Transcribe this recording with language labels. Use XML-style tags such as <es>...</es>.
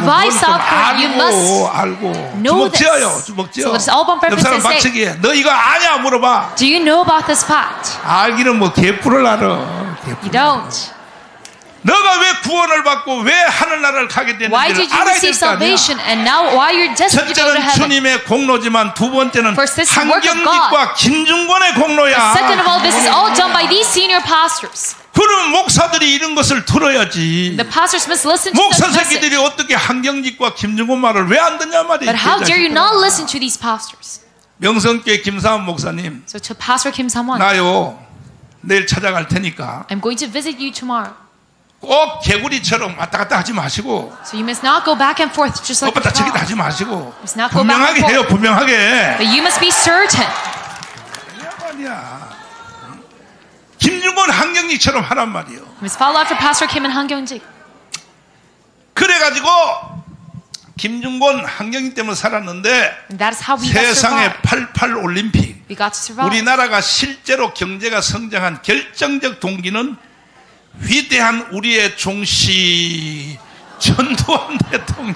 <ko>뭘 좀 알고</ko> <en>must</en> <ko>알고.</ko> <en>Know</en> <ko>주먹지어요.</ko> <en>This.</en> <ko>주먹지어.</ko> <en>So let's all bump purpose and say.</en> <ko>너 이거 아냐 물어봐.</ko> <en>Do you know about this fact?</en> <ko>알기는 뭐 개뿔을 알아. 개뿔을</ko> <en>you don't.</en> <ko>너가 왜 구원을 받고 왜 하늘나라를 가게 됐는지를 알아야 될 거 아니야.</ko> <en>Salvation and now why you're destined to go to heaven.</en> <ko>첫째는 주님의 공로지만 두 번째는 한경직과 김중권의 공로야.</ko> <en>But second of all, this is all done by these senior pastors.</en> <ko>그럼 목사들이 이런 것을 들어야지.</ko> <en>The pastors must listen to</en> <ko>목사 새끼들이 어떻게 한경직과 김중권 말을 왜 안 듣냐 말이야.</ko> <en>But how dare you not listen to these pastors?</en> <ko>명성교회 김상원 목사님.</ko> <en>So to Pastor Kim Samwon.</en> <ko>나요. 내일 찾아갈 테니까.</ko> <en>I'm going to visit you tomorrow.</en> <ko>꼭 개구리처럼 왔다 갔다 하지 마시고</ko> <en>So you must not go back and forth just like</en> <ko>왔다 갔다 하지 마시고 분명하게 해요 분명하게</ko> <en>But you must be certain</en> <ko>아니야 김중원 한경직처럼 하란 말이요</ko> <en>You must follow after Pastor Kim and 한경직</en> <ko>그래가지고 김중권 한경이 때문에 살았는데 세상의 88 올림픽</ko> <en>We got to survive</en> <ko>우리나라가 실제로 경제가 성장한 결정적 동기는 위대한 우리의 종씨 전두환 대통령.</ko>